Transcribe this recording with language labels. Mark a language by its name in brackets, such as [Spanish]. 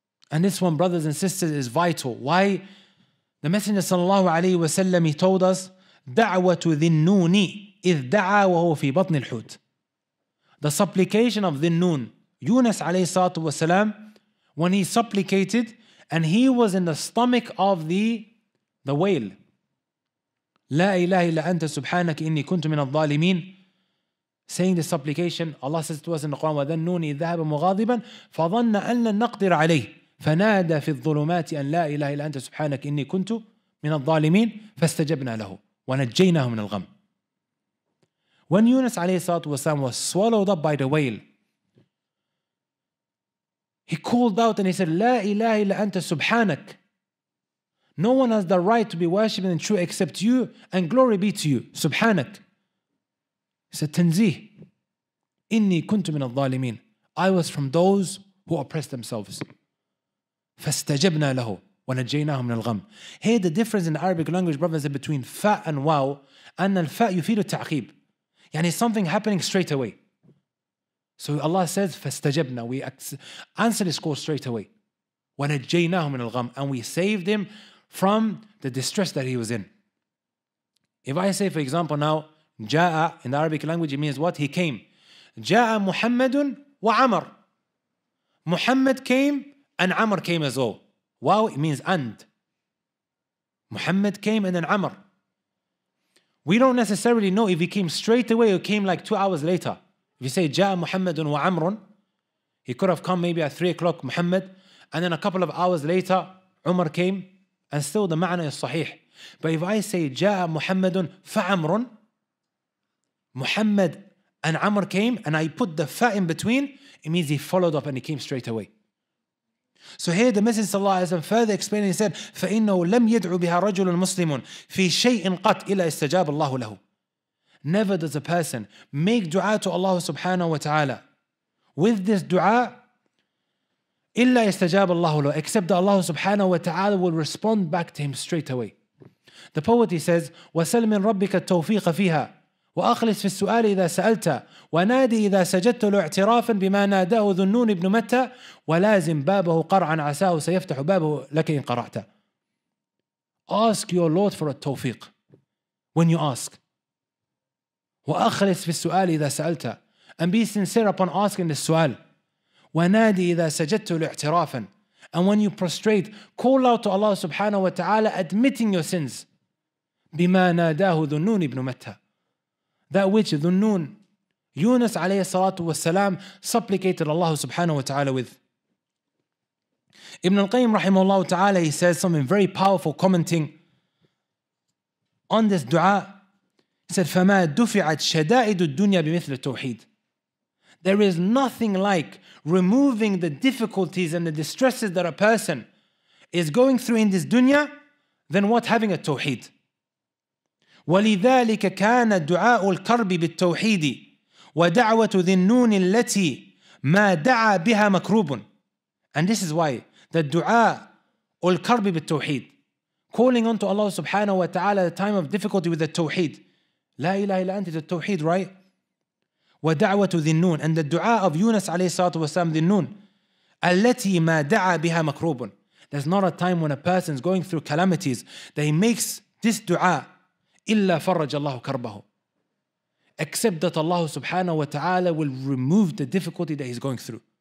[English] And this one, brothers and sisters, is vital. Why? The Messenger sallallahu alayhi wa sallam, he told us, [Arabic] دعوة ذنون إذ دعا وهو في بطن الحوت. [English] The supplication of ذنون, Yunus عليه الصلاة والسلام, when he supplicated and he was in the stomach of the whale. [Arabic] لا إله إلا أنت سبحانك إني كنت من الظالمين. [English] Saying the supplication, Allah says to us in the Quran, [Arabic] وذنون إذ ذهب مغاضبا فظن أن لن نقدر عليه فنادى في الظلمات أن لا إله إلا أنت سبحانك إني كنت من الظالمين فاستجبنا له. ونجيناه من الغم. [English] When Yunus alayhi salatu wasalam was swallowed up by the whale, he called out and he said, [Arabic] لا إله إلا أنت سبحانك. [English] No one has the right to be worshipped and true except you, and glory be to you. [Arabic] سبحانك. [English] He said, [Arabic] تنزيه. إني كنت من الظالمين. [English] I was from those who oppressed themselves. [Arabic] فاستجبنا له ونجيناه من الغم. [English] Hey, the difference in the Arabic language, brothers, is between فاء and واو, [Arabic] أن الفاء يفيد التعقيب. [English] يعني something happening straight away. So Allah says, فاستجبنا. We answer this call straight away. [Arabic] ونجيناه من الغم. [English] And we saved him from the distress that he was in. If I say, for example, now, جاء in the Arabic language, it means what? He came. [Arabic] جاء محمد وعمر. [English] Muhammad came and Amr came as well. Wow, it means and. Muhammad came and then Amr. We don't necessarily know if he came straight away or came like 2 hours later. If you say, [Arabic] جاء محمد وعمر, [English] he could have come maybe at 3 o'clock, Muhammad, and then a couple of hours later, Umar came, and still the ma'na is sahih. But if I say, [Arabic] جاء محمد فعمر, [English] Muhammad and Amr came, and I put the fa in between, it means he followed up and he came straight away. So here the Messenger of Allah further explained, he said, [Arabic] فَإِنَّهُ لَمْ يَدْعُ بِهَا رَجُلٌ مُسْلِمٌ فِي شَيْءٍ قَطْ إِلَّا إِسْتَجَابَ اللَّهُ لَهُ. [English] Never does a person make dua to Allah subhanahu wa ta'ala with this dua, [Arabic] إِلَّا إِسْتَجَابَ اللَّهُ لَهُ, [English] except that Allah subhanahu wa ta'ala will respond back to him straight away. The poet, he says, [Arabic] وَسَلْ مِنْ رَبِّكَ التَّوْفِيقَ فِيهَا وأخلص في السؤال إذا سألت ونادي إذا سجدت له اعترافا بما ناداه ذو النون ابن متى ولازم بابه قرعا عساه سيفتح بابه لك إن قرعت. [English] Ask your Lord for a tawfiq when you ask. [Arabic] وأخلص في السؤال إذا سألت, [English] and be sincere upon asking this سؤال. [Arabic] ونادي إذا سجدت له اعترافا, [English] and when you prostrate, call out to Allah subhanahu wa ta'ala admitting your sins. [Arabic] بما ناداه ذو النون ابن متى, [English] that which Dhunnun, Yunus alayhi salatu wasalam, supplicated Allah subhanahu wa ta'ala with. Ibn al-Qayyim rahimahullah ta'ala, he says something very powerful commenting on this dua. He said, [Arabic] فَمَا دُفِعَتْ شَدَائِدُ الدُّنْيَا بِمِثْلِ التَّوْحِيدِ. [English] There is nothing like removing the difficulties and the distresses that a person is going through in this dunya than what having a tawheed. [Arabic] ولذلك كان دعاء الكرب بالتوحيد ودعوة ذي النون التي ما دعا بها مكروب. [English] And this is why the [Arabic] دعاء الكرب بالتوحيد, [English] calling unto Allah subhanahu wa ta'ala the time of difficulty with the توحيد. [Arabic] لا إله إلا أنت, the توحيد, right? ودعوة ذي النون, [English] and the [Arabic] دعاء of Yunus عليه الصلاة والسلام, ذي النون التي ما دعا بها مكروب. [English] There's not a time when a person is going through calamities that he makes this [Arabic] دعاء إلا فرج الله كربه, [English] except that Allah subhanahu wa ta'ala will remove the difficulty that he's going through.